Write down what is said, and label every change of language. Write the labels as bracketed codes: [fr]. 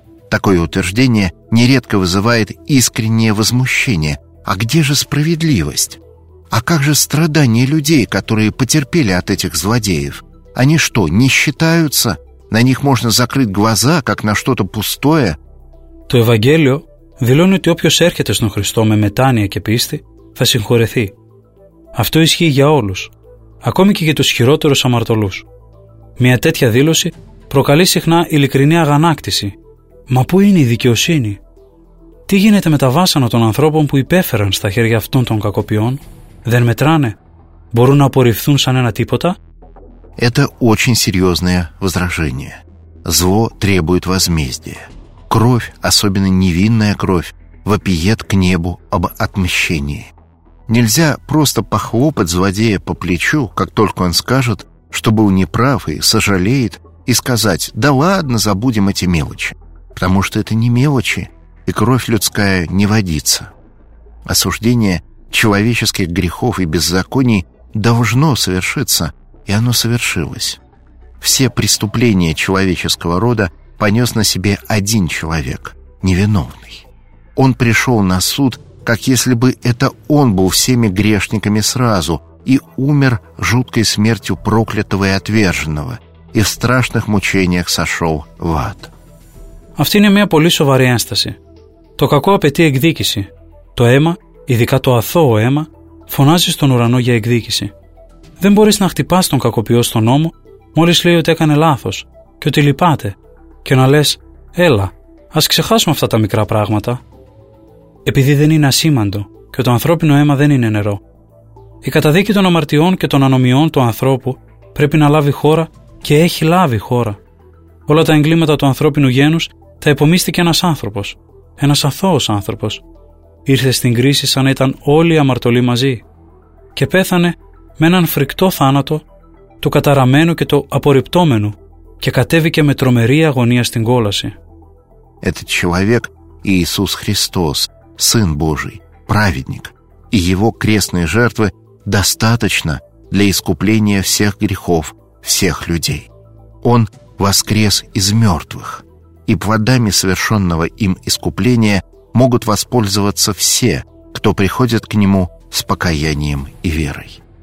[ru] Такое утверждение нередко вызывает искреннее возмущение. А где же справедливость? А как же страдания людей, которые потерпели от этих злодеев? Они что, не считаются? На них можно закрыть глаза, как на что-то пустое? [el] Το Ευαγγέλιο δηλώνει ότι όποιος έρχεται στον Χριστό με μετάνοια και πίστη θα συγχωρεθεί. Αυτό ισχύει για όλους, ακόμη και για τους χειρότερους αμαρτωλούς. Μια τέτοια δήλωση προκαλεί συχνά ειλικρινή αγανάκτηση. Μα πού είναι η δικαιοσύνη? Τι γίνεται με τα βάσανα των ανθρώπων που υπέφεραν στα χέρια αυτών των κακοποιών? Δεν μετράνε? Μπορούν να απορριφθούν σαν ένα τίποτα? [ru] Это очень серьезное возражение. Зло требует возмездия. Кровь, особенно невинная кровь, вопиет к небу об отмщении. Нельзя просто похлопать злодея по плечу, как только он скажет, что был неправ и сожалеет, и сказать: «Да ладно, забудем эти мелочи». Потому что это не мелочи, и кровь людская не водится. Осуждение человеческих грехов и беззаконий должно совершиться, и оно совершилось. Все преступления человеческого рода понес на себе один человек, невиновный. Он пришел на суд, как если бы это он был всеми грешниками сразу и умер жуткой смертью проклятого и отверженного и в страшных мучениях сошел в ад. [el] Αυτή είναι μια πολύ σοβαρή ένσταση. Το κακό απαιτεί εκδίκηση. Το αίμα, ειδικά το αθώο αίμα, φωνάζει στον ουρανό για εκδίκηση. Δεν μπορείς να χτυπάς τον κακοποιό στον νόμο μόλις λέει ότι έκανε λάθος και ότι λυπάται και να λες: «Έλα, ας ξεχάσουμε αυτά τα μικρά πράγματα». Επειδή δεν είναι ασήμαντο και το ανθρώπινο αίμα δεν είναι νερό. Η καταδίκη των αμαρτιών και των ανομιών του ανθρώπου πρέπει να λάβει χώρα και έχει λάβει χώρα. Όλα τα εγκλήματα του ανθρώπινου γένους τα επομίστηκε ένας άνθρωπος, ένας αθώος άνθρωπος. Ήρθε στην κρίση σαν να ήταν όλοι αμαρτωλοί μαζί και πέθανε με έναν φρικτό θάνατο του καταραμένου και του απορριπτόμενου και κατέβηκε με τρομερή αγωνία στην κόλαση. [ru] Этот человек, Иисус Христос, Сын Божий, праведник, и его крестные жертвы достаточно для искупления всех грехов всех людей. Он воскрес из мертвых, и плодами совершенного им искупления могут воспользоваться все, кто приходит к нему с покаянием и верой.